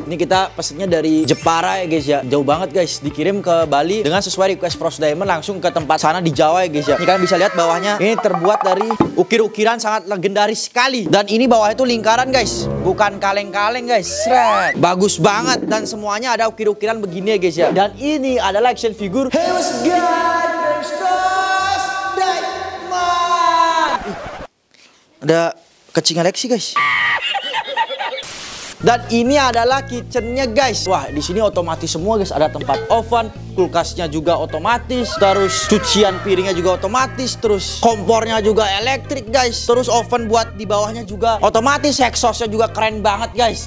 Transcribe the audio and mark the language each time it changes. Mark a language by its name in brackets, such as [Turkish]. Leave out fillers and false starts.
[Indonesian] Ini kita pesennya dari Jepara ya guys ya. Jauh banget guys, dikirim ke Bali dengan sesuai request Frost Diamond langsung ke tempat sana di Jawa ya guys ya. Ini kalian bisa lihat bawahnya, ini terbuat dari ukir-ukiran sangat legendaris sekali. Dan ini bawahnya tuh lingkaran guys, bukan kaleng-kaleng guys. Shred. Bagus banget. Dan semuanya ada ukir-ukiran begini ya guys ya. Dan ini adalah action figure. [English] Hey what's good, I'm Frost Diamond. [Indonesian] Ada kucing Alexi guys. Dan ini adalah kitchennya guys. Wah, di sini otomatis semua guys. Ada tempat oven, kulkasnya juga otomatis. Terus cucian piringnya juga otomatis. Terus kompornya juga elektrik guys. Terus oven buat di bawahnya juga otomatis. Exhaustnya juga keren banget guys.